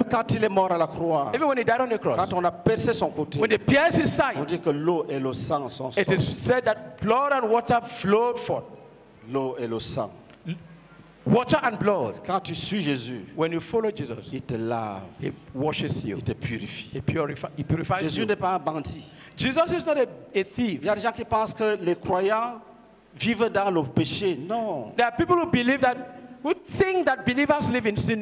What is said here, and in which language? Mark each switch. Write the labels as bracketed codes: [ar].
[fr] Même quand il est mort à la croix, [en] even when he died on the cross, [fr] quand on a percé son côté, [en] when they pierced his side, [fr] on dit que l'eau et le sang sont sortis. [en] It is said that blood and water flowed forth. [fr] L'eau et le sang. [en] Water and blood. [fr] Quand tu suis Jésus, [en] when you follow Jesus, [fr] il te lave. [en] He washes you. [fr] Il te purifie. [en] He purifies [fr] Jésus [en] you. [fr] N'est pas un bandit. [en] Jesus is not a thief. [fr] Il y a des gens qui pensent que les croyants vivent dans le péché. Non. [en] There are people who believe that, who think that believers live in sin.